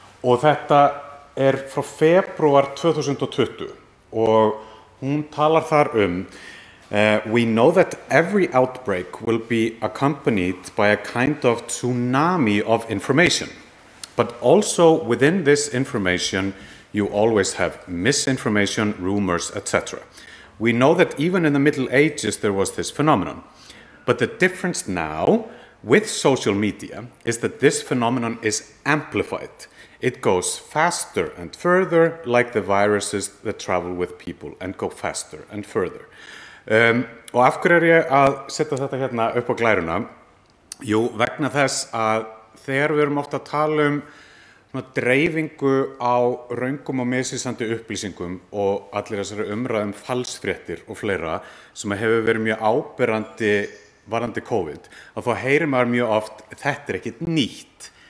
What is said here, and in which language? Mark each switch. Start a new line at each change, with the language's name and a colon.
Icelandic: og þetta er frá febrúar 2020 og hún talar þar
English: we know that every outbreak will be accompanied by a kind of tsunami of information. But also within this information, you always have misinformation, rumors, etc. We know that even in the Middle Ages, there was this phenomenon. But the difference now with social media is that this phenomenon is amplified. It goes faster and further, like the viruses that travel with people and go faster and further.
Icelandic: Og af hverju ég að setja þetta hérna upp á glæruna? Jú, vegna þess að þegar við erum oft að tala dreifingu á röngum og misvísandi upplýsingum og allir þessari umræðum falsfréttir og fleira sem hefur verið mjög áberandi varandi COVID, að þá heyrir maður mjög oft þetta ekkit nýtt.